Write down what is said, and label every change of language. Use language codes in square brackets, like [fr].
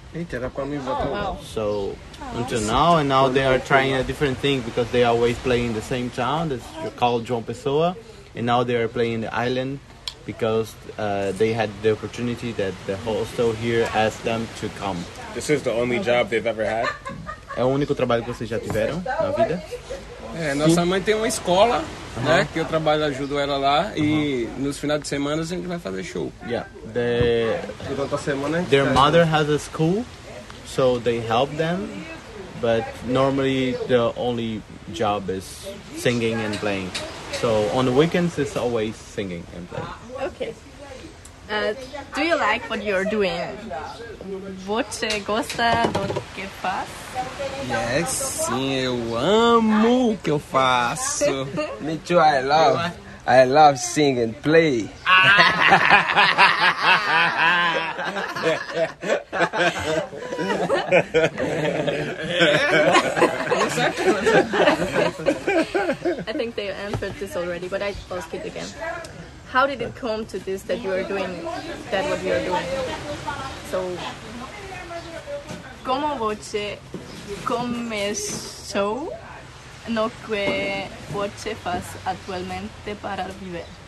[en] So until now, and now they are trying a different thing because they always play in the same town that's called João Pessoa, and now they are playing in the island because they had the opportunity that the hostel here asked them to come. This is the only job they've ever had. [pt] É o único trabalho que vocês já tiveram na vida? É, nossa mãe tem uma escola, né, que eu trabalho, ajudo ela lá, e nos finais de semana a gente vai fazer show. [en] Yeah. [pt] Durante a semana, [en] their mother has a school, so they help them, but normally the only job is singing and playing. So on the weekends it's always singing and playing. Okay. Do you like what you're doing? [pt] Você gosta do que faz? Yes, sim, eu amo o que eu faço. [en] Me too, I love singing, play. I think they answered this already, but I ask it again. How did it come to this that you are doing that what you are doing? [pt] So, como você começou no que você faz atualmente para viver?